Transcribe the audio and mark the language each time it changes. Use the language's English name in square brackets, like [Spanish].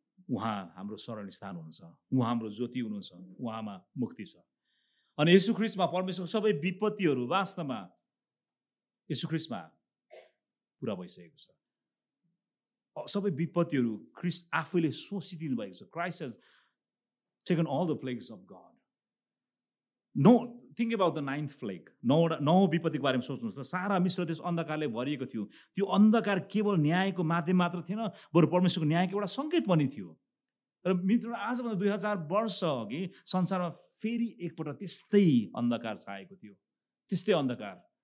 [Nepali] उहाँ हाम्रो शरण स्थान हुनुहुन्छ, उहाँ हाम्रो ज्योति हुनुहुन्छ, उहाँमा मुक्ति छ। अनि येशु ख्रिस्टमा परमेश्वरको सबै विपत्तिहरू वास्तवमा येशु ख्रिस्टमा पुरा भइसकेको छ। सबै विपत्तिहरू ख्रिस्ट आफैले सोचिदिनु भएको छ। [English] Christ has taken all the plagues of God. No think about the 9th plague, [Nepali] नौ विपत्तिको बारेमा सोच्नुहोस् त। सारा मिश्र देश अन्धकारले भरिएको थियो। त्यो अन्धकार केवल न्यायको माध्यम मात्र थिएन, बरु परमेश्वरको न्यायको एउटा सङ्केत पनि थियो। र मित्र, आजभन्दा 2000 वर्ष अघि संसारमा फेरि एकपल्ट त्यस्तै अन्धकार छाएको थियो, त्यस्तै अन्धकार।